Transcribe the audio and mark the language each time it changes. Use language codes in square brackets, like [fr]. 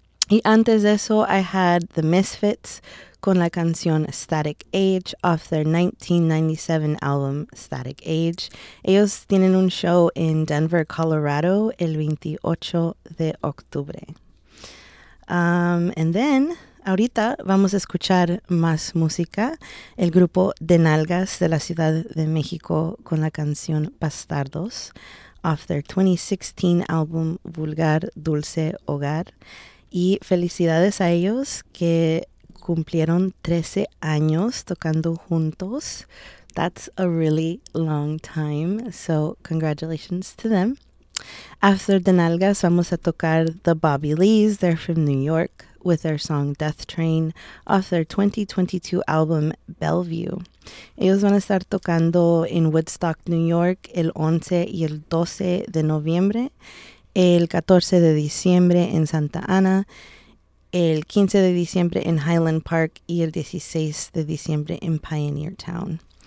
[es] Y antes de eso, [en] I had [es] The Misfits con la canción Static Age [en] off their 1997 album [es] Static Age. Ellos tienen un show en Denver, Colorado, el 28 de octubre. [en] And then [es] ahorita vamos a escuchar más música, el grupo De Nalgas de la Ciudad de México con la canción Bastardos, [en] off their 2016 album [es] Vulgar Dulce Hogar. Y felicidades a ellos que cumplieron 13 años tocando juntos. [en] That's a really long time, so congratulations to them. After De Nalgas, [es] vamos a tocar [en] The Bobby Lees, they're from New York, with their song Death Train, off their 2022 album Bellevue. [es] Ellos van a estar tocando en Woodstock, New York, el 11 y el 12 de noviembre, el 14 de diciembre en Santa Ana, el 15 de diciembre en Highland Park y el 16 de diciembre en Pioneer Town.